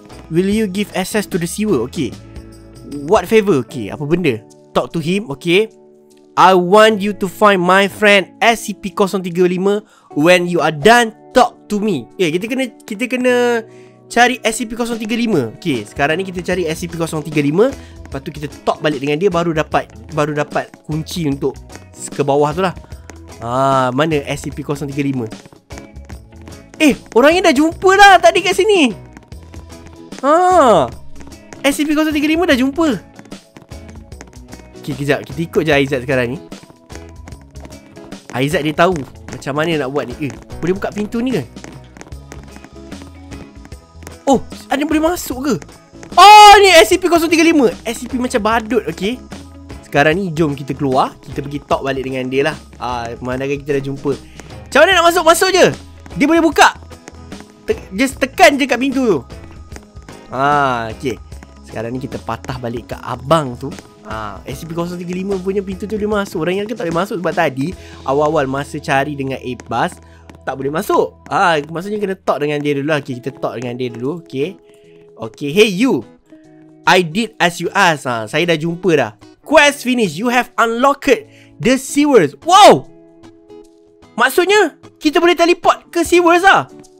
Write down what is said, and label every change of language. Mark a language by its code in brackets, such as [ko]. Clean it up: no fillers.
[en] Will you give access to the sewer? Okay. What favor? Okay, [ms] apa benda? [en] Talk to him, okay. I want you to find my friend SCP-035. When you are done, talk to me. Okay, [ms] kita kena cari SCP-035. Okay, sekarang ni kita cari SCP-035. Lepas tu kita talk balik dengan dia, baru dapat kunci untuk ke bawah tu lah. Mana SCP-035? Orangnya dah jumpa dah tadi kat sini. SCP-035 dah jumpa. Okay, kejap. Kita ikut je Aizat sekarang ni. Aizat dia tahu macam mana nak buat ni. Boleh buka pintu ni ke? Ada boleh masuk ke? Ni SCP-035. SCP macam badut, okay. Sekarang ni, jom kita keluar. Kita pergi talk balik dengan dia lah. Pemandangan kita dah jumpa. Macam mana nak masuk? Masuk je. Dia boleh buka. Just tekan je kat pintu tu. Okay. Sekarang ni kita patah balik kat abang tu. SCP-035 punya pintu tu boleh masuk. Orang yang kata tak boleh masuk sebab tadi awal-awal masa cari dengan A-Bus tak boleh masuk. Maksudnya kena talk dengan dia dulu lah. Okay, kita talk dengan dia dulu. [en] Okay, hey you, I did as you asked. [ms] Saya dah jumpa dah. [en] Quest finished. You have unlocked the sewers. [ms] Wow, maksudnya kita boleh teleport ke sewers lah.